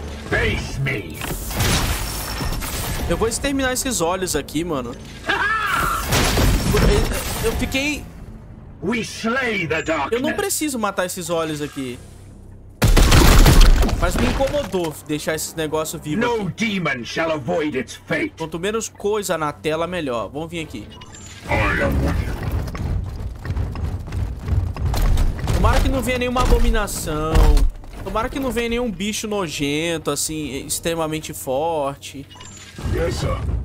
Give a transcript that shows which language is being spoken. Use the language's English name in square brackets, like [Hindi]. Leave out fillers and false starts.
[English] Face me. [Portuguese] Eu vou exterminar esses olhos aqui, mano. Eu fiquei... [English] We slay the darkness. [Portuguese] Eu não preciso matar esses olhos aqui. Mas me incomodou deixar esse negócio vivo. [English] No demon shall avoid its fate. [Portuguese] Quanto menos coisa na tela, melhor. Vamos vir aqui. Tomara que não venha nenhuma abominação. Tomara que não venha nenhum bicho nojento, assim, extremamente forte. [English] Yes, sir.